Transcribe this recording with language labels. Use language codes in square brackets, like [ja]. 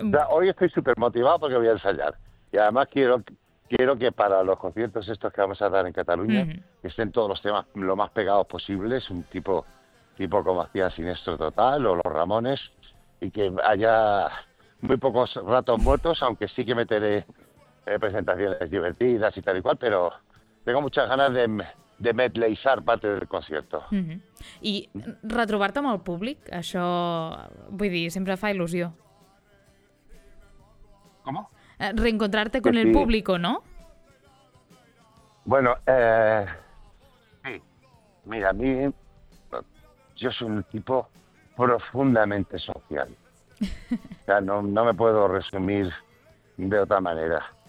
[es] Hoy estoy súper motivado porque voy a ensayar. Y además quiero que para los conciertos estos que vamos a dar en Cataluña, que estén todos los temas lo más pegados posible, es un tipo como hacía Siniestro Total o Los Ramones, y que haya muy pocos ratos muertos, aunque sí que meteré presentaciones divertidas y tal y cual, pero tengo muchas ganas de medleyizar parte del concierto. [ca] I retrobar-te amb el públic, això, vull dir, sempre fa il·lusió. [es] ¿Cómo? Reencontrarte con el público, ¿no? Bueno, sí. Mira, a mí, yo soy un tipo profundamente social. O sea, no me puedo resumir de otra manera.